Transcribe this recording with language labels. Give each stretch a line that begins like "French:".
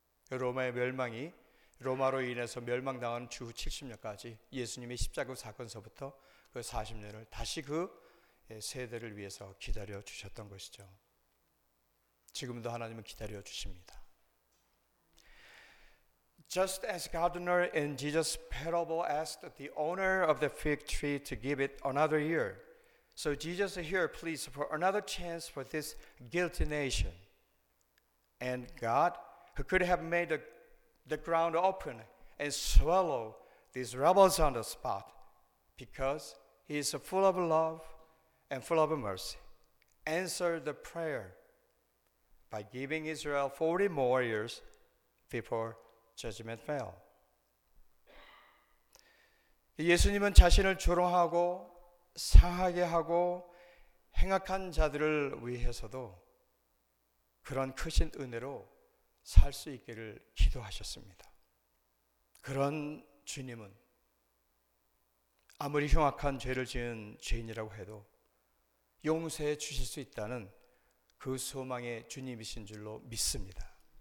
Korean: 로마의 멸망이 로마로 인해서 멸망당한 주후 70년까지 예수님의 십자가 사건서부터 그 40년을 다시 그 세대를 위해서 기다려 주셨던 것이죠. 지금도 하나님은 기다려 주십니다.
English: Just as gardener in Jesus' parable asked the owner of the fig tree to give it another year, so Jesus here pleads for another chance for this guilty nation. And God, who could have made the ground open and swallow these rebels on the spot, because he is full of love and full of mercy, answered the prayer by giving Israel 40 more years before judgment fell.
Korean: 예수님은 자신을 조롱하고 상하게 하고 행악한 자들을 위해서도 그런 크신 은혜로 살 수 있기를 기도하셨습니다. 그런 주님은 아무리 흉악한 죄를 지은 죄인이라고 해도 용서해 주실 수 있다는 그 소망의 주님이신 줄로 믿습니다.